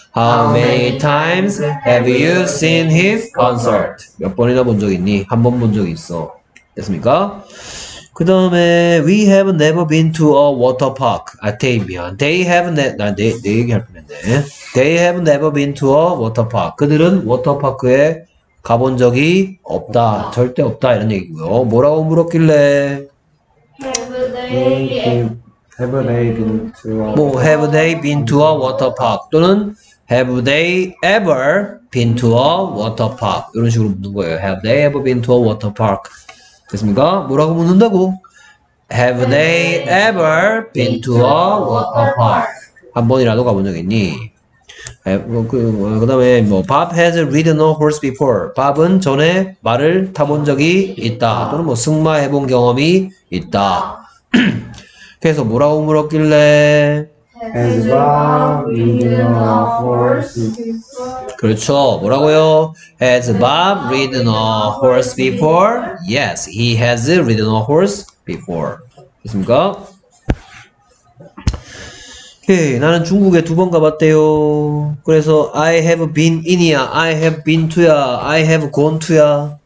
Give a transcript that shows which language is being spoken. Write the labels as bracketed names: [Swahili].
[English] How many times have you seen his concert? [Korean] 몇 번이나 본 적 있니? 한 번 본 적 있어. 됐습니까? 그 다음에 [English] We have never been to a water park. [Korean] 아, 테이비안. [English] They have never... [Korean] 난 내 얘기할 뻔했네. [English] They have never been to a water park. [Korean] 그들은 워터파크에 가본 적이 없다. 절대 없다. 이런 얘기고요. 뭐라고 물었길래? [English] Have they been to a water park? [Korean] 또는 [English] Have they ever been to a water park? [Korean] 이런 식으로 묻는 거예요. [English] Have they ever been to a water park? [Korean] 됐습니까? 뭐라고 묻는다고? [English] Have they ever been to a water park? [Korean] 한 번이라도 가본 적 있니? 그 다음에 뭐 [English] Bob has ridden a horse before. [Korean] Bob은 전에 말을 타본 적이 있다. 또는 뭐 승마 해본 경험이 있다. 그래서 뭐라고 물었길래? [English] Has Bob ridden a horse before? [Korean] 그렇죠. 뭐라고요? [English] Has Bob ridden a horse before? Yes, he has ridden a horse before. [Korean] 됐습니까? 오케이, 나는 중국에 두 번 가봤대요. 그래서 [English] I have been in이야, I have been to야, I have gone to야.